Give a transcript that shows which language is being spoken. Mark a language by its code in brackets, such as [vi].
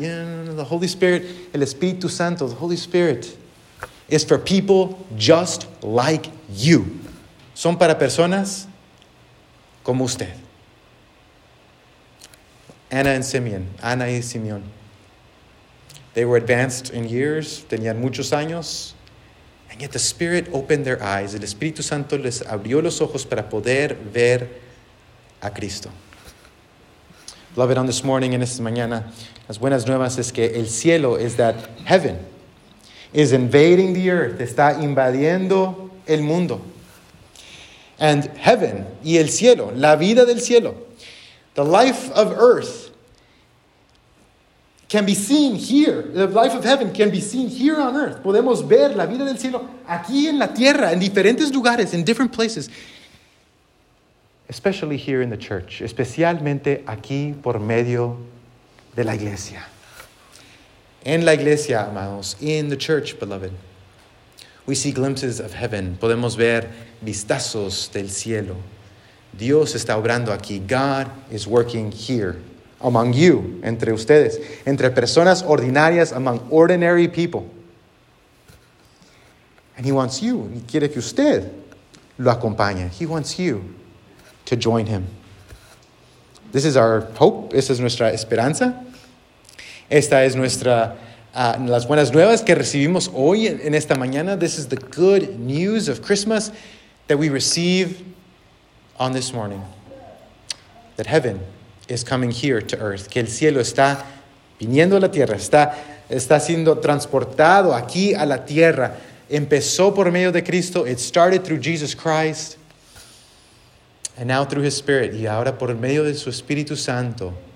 [en] Yeah, no, no, the Holy Spirit, [es] el Espíritu Santo, [en] the Holy Spirit is for people just like you. [es] Son para personas como usted. [en] Ana and Simeon, Ana y Simeon. They were advanced in years, [es] tenían muchos años, [en] and yet the Spirit opened their eyes. [es] El Espíritu Santo les abrió los ojos para poder ver a Cristo. [en] Beloved, on this morning and this [es] mañana, las buenas nuevas es que el cielo [en] is that heaven is invading the earth, [es] está invadiendo el mundo. [en] And heaven [es] y el cielo, la vida del cielo, [en] the life of earth can be seen here. The life of heaven can be seen here on earth. [es] Podemos ver la vida del cielo aquí en la tierra, en diferentes lugares, [en] in different places. Especially here in the church. [es] Especialmente aquí por medio de la iglesia. En la iglesia, amados. [en] In the church, beloved. We see glimpses of heaven. [es] Podemos ver vistazos del cielo. Dios está obrando aquí. [en] God is working here. Among you, [es] entre ustedes, entre personas ordinarias, [en] among ordinary people. And he wants you, [es] y quiere que usted lo acompañe. [en] He wants you to join him. This is our hope, [es] esta es nuestra esperanza. Esta es nuestra, las buenas nuevas que recibimos hoy en esta mañana. [en] This is the good news of Christmas that we receive on this morning. That heaven is coming here to earth. [es] Que el cielo está viniendo a la tierra. Está siendo transportado aquí a la tierra. Empezó por medio de Cristo. [en] It started through Jesus Christ. And now through His Spirit. [es] Y ahora por medio de su Espíritu Santo.